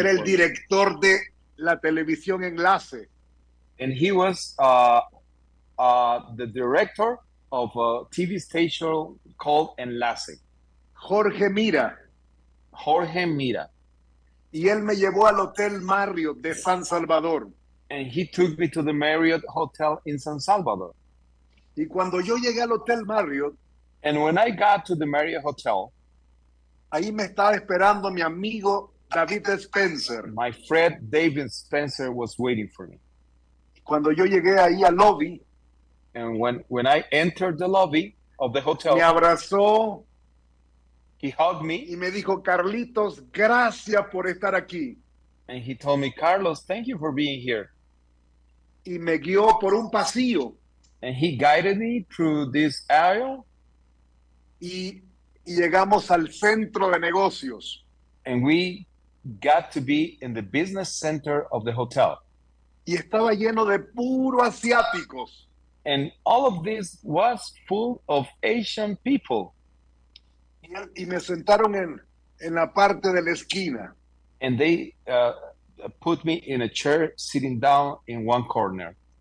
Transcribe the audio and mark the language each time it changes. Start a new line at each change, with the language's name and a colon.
Spanish: Que era el director de la televisión Enlace.
English: And he was the director of a TV station called Enlace.
Spanish: Jorge Mira.
English: Jorge Mira.
Spanish: Y él me llevó al Hotel Marriott de San Salvador.
English: And he took me to the Marriott Hotel in San Salvador.
Spanish: Y cuando yo llegué al Hotel Marriott,
English: and when I got to the Marriott Hotel,
Spanish: ahí me estaba esperando mi amigo David Spencer.
English: My friend David Spencer was waiting for me.
Spanish: Cuando yo llegué ahí al lobby,
English: and when I entered the lobby of the hotel,
Spanish: me abrazó,
English: he hugged me,
Spanish: y me dijo, Carlitos, gracias por estar aquí.
English: And he told me, Carlos, thank you for being here.
Spanish: Y me guió por un pasillo.
English: And he guided me through this aisle.
Spanish: Y llegamos al centro de negocios.
English: And we got to be in the business center of the hotel.
Spanish: Y estaba lleno de puro asiáticos.
English: And all of this was full of Asian people.
Spanish: Y me sentaron en la parte de la esquina.
English: And they put me in a chair, sitting down in one corner.